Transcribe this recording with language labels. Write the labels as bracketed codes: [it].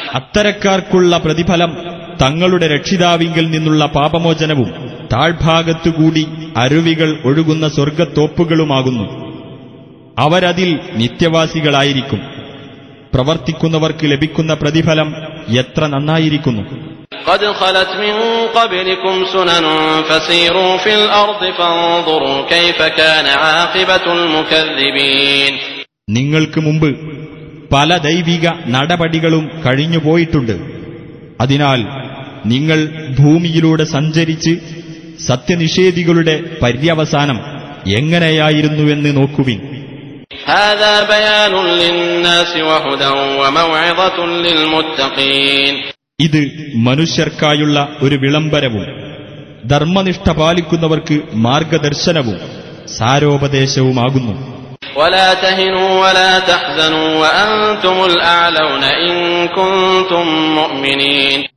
[ml] അത്തരക്കാർക്കുള്ള പ്രതിഫലം തങ്ങളുടെ രക്ഷിതാവിങ്കിൽ നിന്നുള്ള പാപമോചനവും താഴ്ഭാഗത്തുകൂടി അരുവികൾ ഒഴുകുന്ന സ്വർഗത്തോപ്പുകളുമാകുന്നു. അവരതിൽ നിത്യവാസികളായിരിക്കും. പ്രവർത്തിക്കുന്നവർക്ക് ലഭിക്കുന്ന പ്രതിഫലം എത്ര നന്നായിരിക്കുന്നു. [ar] قد خلت من قبلكم سنن فسيروا في الارض فانظروا كيف كان عاقبه المكذبين. [ml] നിങ്ങൾക്ക് മുമ്പ് പല ദൈവിക നടപടികളും കഴിഞ്ഞു പോയിട്ടുണ്ട്. അതിനാൽ നിങ്ങൾ ഭൂമിയിലൂടെ സഞ്ചരിച്ച് സത്യനിഷേധികളുടെ പര്യവസാനം എങ്ങനെയായിരുന്നുവെന്ന് നോക്കുവിൻ. [ar] هذا بيان للناس وهدى وموعظة للمتقين. [ml] ഇത് മനുഷ്യർക്കായുള്ള ഒരു വിളംബരവും ധർമ്മനിഷ്ഠ പാലിക്കുന്നവർക്ക് മാർഗദർശനവും സാരോപദേശവുമാകുന്നു. [ar] ولا تهنوا ولا تحزنوا وانتم الاعلون ان كنتم مؤمنين.